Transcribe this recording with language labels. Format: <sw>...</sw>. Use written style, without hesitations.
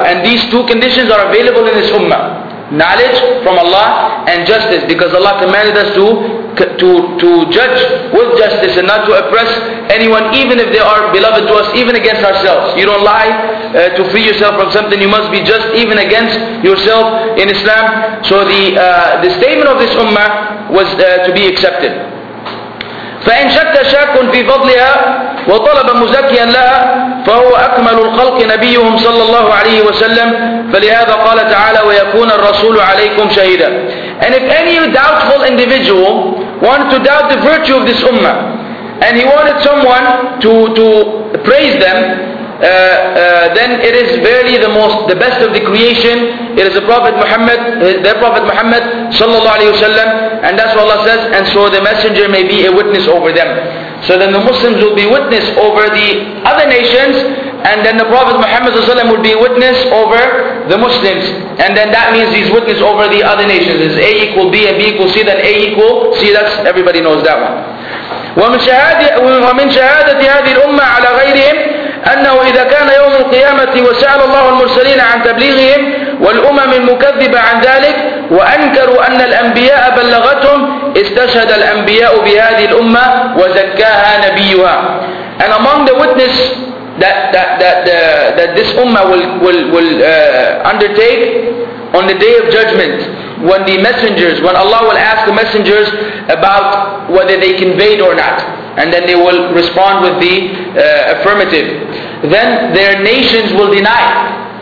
<en>And these two conditions are available in this ummah: knowledge from Allah and justice, because Allah commanded us to judge with justice and not to oppress anyone, even if they are beloved to us, even against ourselves. You don't lie to free yourself from something. You must be just even against yourself in Islam. So the statement of this ummah was to be accepted.</en> <ar>فإن شك شاك في فضلها وطلب مزكيا لها فهو أكمل الخلق نبيهم صلى الله عليه وسلم فلهذا قال تعالى ويكون الرسول عليكم شهيدا.</ar> <en>And if any doubtful individual wanted to doubt the virtue of this ummah and he wanted someone to praise them, then it is verily the best of the creation. It is the Prophet Muhammad, their Prophet Muhammad sallallahu alayhi wasallam, and that's what Allah says, and so the messenger may be a witness over them. So then the Muslims will be witness over the other nations, and then the Prophet Muhammad sallallahu alayhi wasallam will be witness over the Muslims, and then that means he's witness over the other nations. It's A equal B and B equal C, then A equal C. That's everybody knows that one.</en> <ar>ومن شهادة هذه الأمة على غيرهم أنه إذا كان يوم القيامة وسأل الله المرسلين عن تبليغهم والأمم المكذبة عن ذلك وأنكروا أن الأنبياء بلغتهم استشهد الأنبياء بهذه الأمة وزكاها نبيها.</ar> <en>And among the witness that this ummah will undertake on the day of judgment, when Allah will ask the messengers about whether they conveyed or not, and then they will respond with the affirmative. Then their nations will deny.</en>